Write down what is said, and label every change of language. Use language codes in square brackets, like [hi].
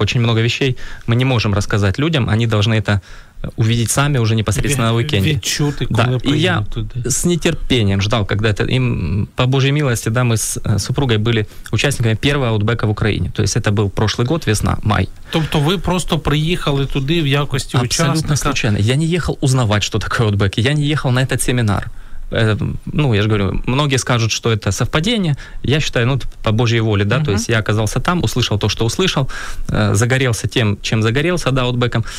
[ru] Очень много вещей мы не можем рассказать людям, они должны это увидеть сами уже непосредственно на уикенде. Ведь да. И я с нетерпением ждал, когда это им, по Божьей милости, да, мы с супругой были участниками первого аутбека в Украине. То есть это был прошлый год, весна, май. [uk] Тобто ви просто приїхали туди в якості [ru] Абсолютно [uk] учасника? [ru] Абсолютно случайно. Я не ехал узнавать, что такое аутбек. Я не ехал на этот семинар. Ну, я же говорю, многие скажут, что это совпадение. Я считаю, ну, по Божьей воле, да, то есть я оказался там, услышал то, что услышал, загорелся тем, чем загорелся, да, аутбеком.